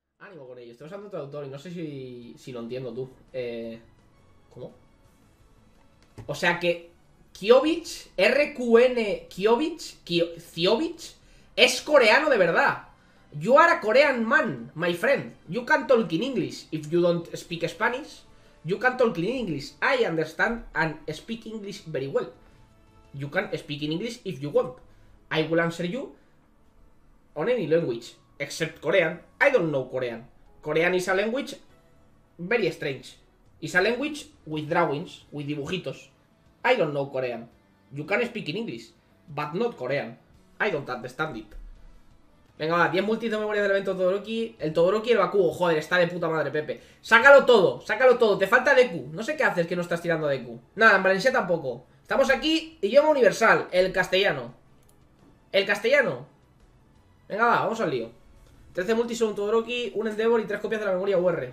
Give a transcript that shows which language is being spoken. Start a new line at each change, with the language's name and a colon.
Spanish: Ánimo con ello, estoy usando el traductor y no sé si lo entiendo tú. ¿Cómo? O sea que Kiovic, RQN Kiovic, Kiovic es coreano de verdad.
English: You are a Korean man, my friend. You can talk in English if you don't speak Spanish. You can talk in English. I understand and speak English very well. You can speak in English if you want. I will answer you on any language except Korean. I don't know Korean. Korean is a language very strange. It's a language with drawings, with dibujitos. I don't know Korean. You can speak in English, but not Korean. I don't understand it.
Spanish: Venga, va, 10 multis de memoria del evento Todoroki. El Todoroki y el Bakugo, joder, está de puta madre, Pepe. Sácalo todo, te falta Deku. No sé qué haces que no estás tirando Deku. Nada, en Valencia tampoco. Estamos aquí, idioma universal, el castellano. El castellano. Venga, va, vamos al lío. 13 multis, un Todoroki, un Endeavor y 3 copias de la memoria UR.